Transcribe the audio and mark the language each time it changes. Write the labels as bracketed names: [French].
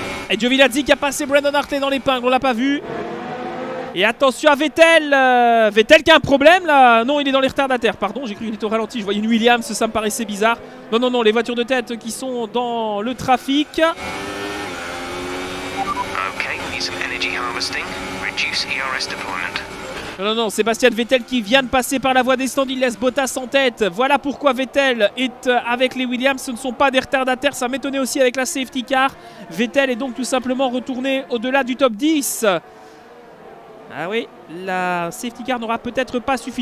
[French] Et Giovinazzi qui a passé Brandon Hartley dans l'épingle, on l'a pas vu. Et attention à Vettel, Vettel qui a un problème là, non il est dans les retardataires, pardon, j'ai cru qu'il était au ralenti, je voyais une Williams, ça me paraissait bizarre. Non, non, non, les voitures de tête qui sont dans le trafic. [English] Okay, need some energy harvesting. Reduce ERS deployment. [French] Non, non, non, Sébastien Vettel qui vient de passer par la voie des stands, il laisse Bottas en tête. Voilà pourquoi Vettel est avec les Williams, ce ne sont pas des retardataires, ça m'étonnait aussi avec la safety car. Vettel est donc tout simplement retourné au-delà du top 10. Ah oui, la safety car n'aura peut-être pas suffi.